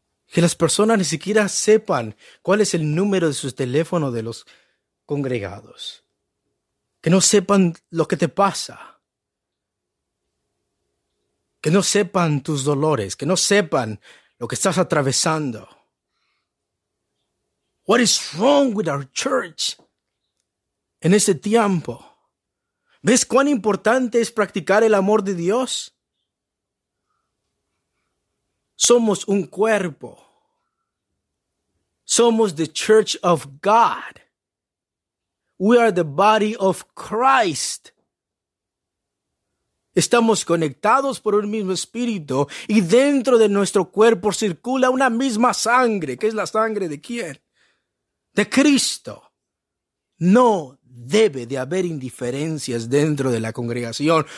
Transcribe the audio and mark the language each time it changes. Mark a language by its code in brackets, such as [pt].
[es] que las personas ni siquiera sepan cuál es el número de sus teléfonos de los congregados, que no sepan lo que te pasa, que no sepan tus dolores, que no sepan lo que estás atravesando. [en] What is wrong with our church? [es] En ese tiempo, ¿ves cuán importante es practicar el amor de Dios? Somos un cuerpo. Somos [en] the church of God. We are the body of Christ. [es] Estamos conectados por un mismo espíritu y dentro de nuestro cuerpo circula una misma sangre. ¿Qué es la sangre de quién? De Cristo. No debe de haber indiferencias dentro de la congregación.